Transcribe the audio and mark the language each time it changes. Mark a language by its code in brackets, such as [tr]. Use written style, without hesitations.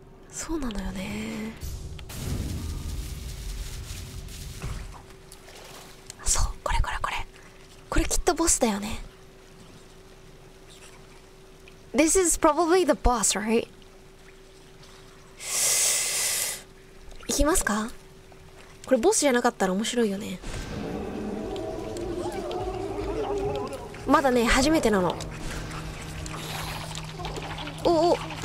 [ja] そうなのよね。そう、これこれこれ。これきっとボスだよね。 [en] This is probably the boss, right? [ja] 行きますか? これボスじゃなかったら面白いよね。まだね、初めてなの。おお。